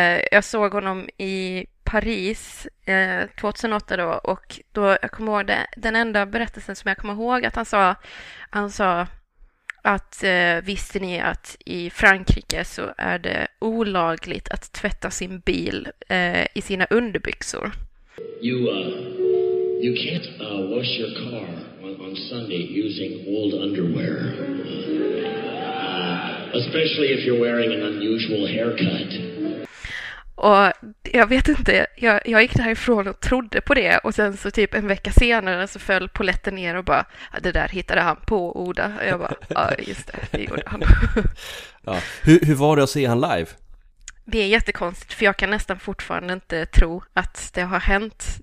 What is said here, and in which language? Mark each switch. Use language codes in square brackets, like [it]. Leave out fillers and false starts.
[sv] Jag såg honom i Paris 2008 då. Och då, jag kommer ihåg den enda berättelsen som jag kommer ihåg, att han sa att visste ni att i Frankrike så är det olagligt att tvätta sin bil i sina underbyxor. [en] You can't wash your car on Sunday using old underwear. Especially if you're wearing an unusual haircut. [sv] Och jag vet inte, jag gick därifrån och trodde på det. Och sen så typ en vecka senare så föll poletten ner och bara, det där hittade han på, Oda. Och jag bara, ja just det gjorde han. Ja. Hur var det att se han live? Det är jättekonstigt, för jag kan nästan fortfarande inte tro att det har hänt.